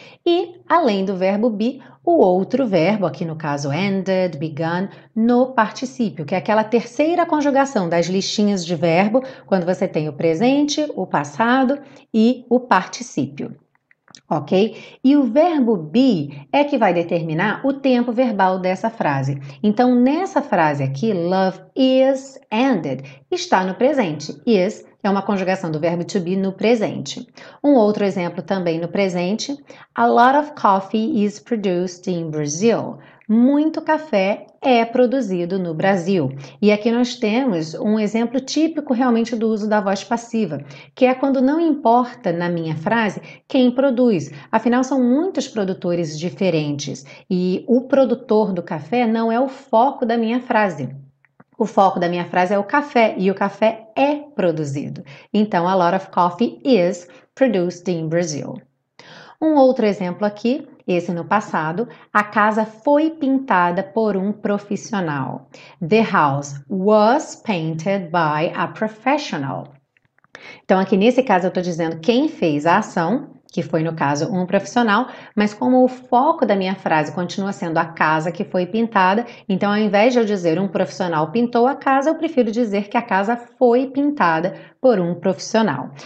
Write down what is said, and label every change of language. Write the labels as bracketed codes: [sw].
[pt] E, além do verbo be, o outro verbo, aqui no caso ended, begun, no particípio, que é aquela terceira conjugação das listinhas de verbo, quando você tem o presente, o passado e o particípio. Ok? E o verbo be é que vai determinar o tempo verbal dessa frase. Então, nessa frase aqui, [en] love is ended, [pt] está no presente. Is é uma conjugação do verbo to be no presente. Um outro exemplo também no presente. [en] A lot of coffee is produced in Brazil. [pt] Muito café é produzido no Brasil. E aqui nós temos um exemplo típico realmente do uso da voz passiva, que é quando não importa na minha frase quem produz. Afinal, são muitos produtores diferentes e o produtor do café não é o foco da minha frase. O foco da minha frase é o café e o café é produzido. Então, [en] a lot of coffee is produced in Brazil. [pt] Um outro exemplo aqui, esse no passado, a casa foi pintada por um profissional. [en] The house was painted by a professional. [pt] Então, aqui nesse caso, eu estou dizendo quem fez a ação, que foi no caso um profissional, mas como o foco da minha frase continua sendo a casa que foi pintada, então ao invés de eu dizer um profissional pintou a casa, eu prefiro dizer que a casa foi pintada por um profissional.